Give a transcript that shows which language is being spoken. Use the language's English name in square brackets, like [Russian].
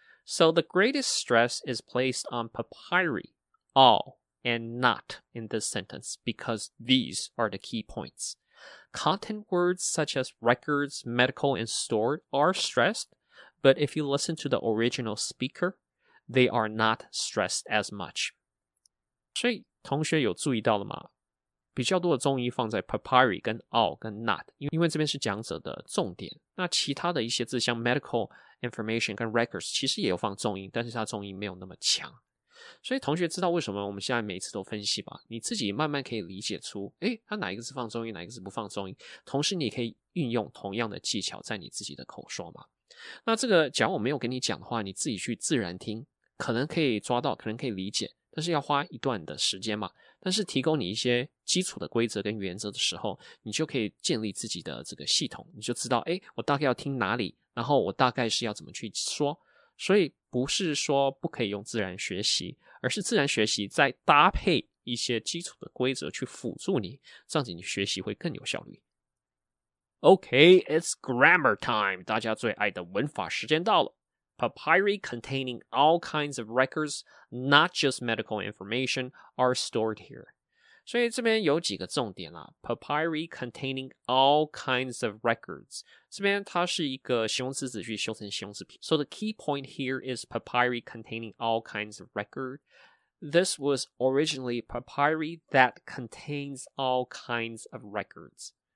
[English] So the greatest stress is placed on papyri, all, and not in this sentence, because these are the key points. Content words such as records, medical, and stored are stressed, but if you listen to the original speaker, they are not stressed as much. [Chinese] 所以同学有注意到了吗比较多的重音放在 papyri 跟 all 跟 not 因为这边是讲者的重点那其他的一些字像 medical information 跟 records 其实也有放重音但是它重音没有那么强所以同学知道为什么我们现在每一次都分析吧你自己慢慢可以理解出诶它哪一个字放重音哪一个字不放重音同时你可以运用同样的技巧在你自己的口说嘛那这个假如我没有跟你讲的话你自己去自然听可能可以抓到可能可以理解但是要花一段的时间嘛但是提供你一些基础的规则跟原则的时候你就可以建立自己的这个系统你就知道诶我大概要听哪里然后我大概是要怎么去说所以不是说不可以用自然学习而是自然学习再搭配一些基础的规则去辅助你这样子你学习会更有效率 [English] OK, it's grammar time [Chinese] 大家最爱的文法时间到了 [English] Papyri containing all kinds of records, not just medical information, are stored here. [Chinese] 所以这边有几个重点啦。 [English] Papyri containing all kinds of records. [Chinese] 这边它是一个形容词子句修成形容词。 [English] So the key point here is papyri containing all kinds of record. This was originally papyri that contains all kinds of records.